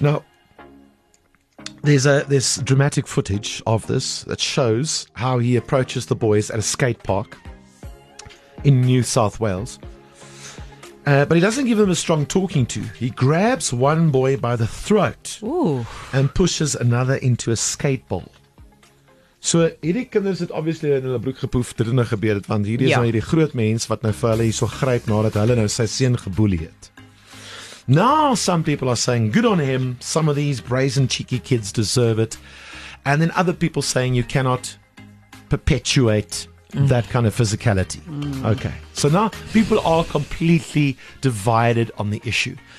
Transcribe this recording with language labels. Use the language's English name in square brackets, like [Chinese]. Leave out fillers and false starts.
[English] Now, there's this dramatic footage of this that shows how he approaches the boys at a skate park in New South Wales. But he doesn't give them a strong talking to. He grabs one boy by the throat. Ooh. And pushes another into a skate bowl. [Afrikaans] So hierdie kinders het obviously in hulle broek gepoef, dit het nou gebeur, want hierdie is nou hierdie groot mens wat nou vir hulle hierso gryp nadat hulle nou sy seun geboelie het. [English] Now some people are saying good on him, some of these brazen cheeky kids deserve it. And then other people saying you cannot perpetuate that kind of physicality. Mm. Okay, so now people are completely divided on the issue.